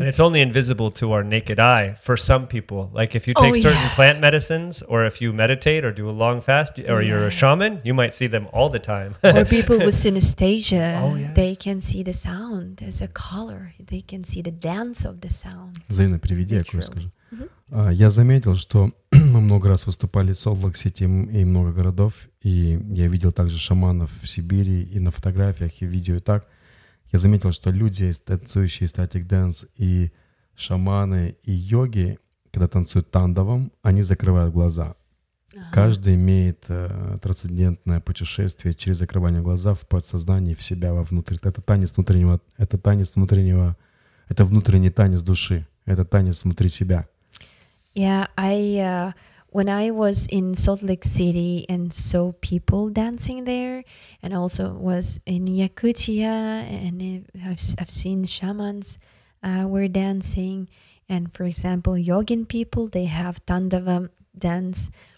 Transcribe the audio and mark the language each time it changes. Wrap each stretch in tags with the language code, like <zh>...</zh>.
<en>And it's only invisible to our naked eye for some people. Like if you take certain plant medicines, or if you meditate or do a long fast, or you're a shaman, you might see them all the time. Or people with synesthesia, they can see the sound as a color. They can see the dance of the sound.</en> <ru>Зайна, приведи, я кое скажу. Я заметил, что мы много раз выступали в Солт-Лейк-Сити и много городов, и я видел также шаманов в Сибири и на фотографиях, и видео, и так. Я заметил, что люди, танцующие static dance, и шаманы, и йоги, когда танцуют тандовом, они закрывают глаза. Каждый имеет трансцендентное путешествие через закрывание глаз в подсознание, в себя, вовнутрь. Это внутренний танец души, это танец внутри себя.</ru> <en>Yeah, I when I was in Salt Lake City and saw people dancing there, and also was in Yakutia, and I've seen shamans were dancing, and for example, yogin people, they have Tandava dance.</en>